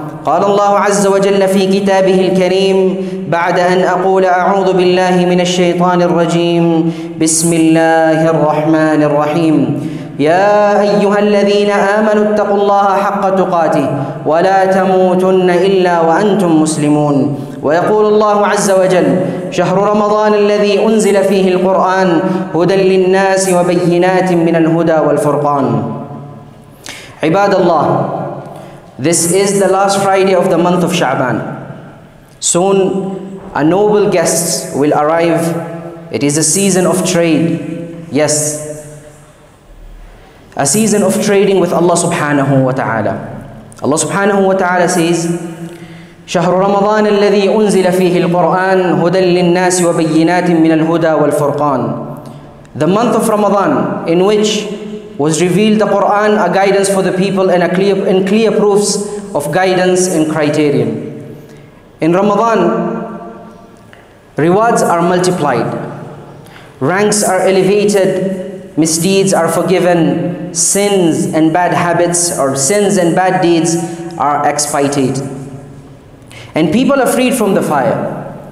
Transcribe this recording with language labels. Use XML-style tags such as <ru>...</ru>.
<ar>قال الله عز وجل في كتابه الكريم بعد أن أقول أعوذ بالله من الشيطان الرجيم: بسم الله الرحمن الرحيم: يا أيها الذين آمنوا اتقوا الله حق تقاته ولا تموتن إلا وأنتم مسلمون. ويقول الله عز وجل: شهر رمضان الذي أنزل فيه القرآن هدى للناس وبينات من الهدى والفرقان. عباد الله،</ar> <en>this is the last Friday of the month of Sha'ban. Soon a noble guest will arrive. It is a season of trade. Yes, a season of trading with Allah subhanahu wa ta'ala. Allah subhanahu wa ta'ala says,</en> <ar>شهر رمضان الذي أنزل فيه القرآن هدى للناس وبينات من الهدى والفرقان.</ar> <en>The month of Ramadan in which was revealed the Quran, a guidance for the people and clear proofs of guidance and criterion. In Ramadan, rewards are multiplied, ranks are elevated, misdeeds are forgiven, sins and bad habits or sins and bad deeds are expiated, and people are freed from the fire.</en>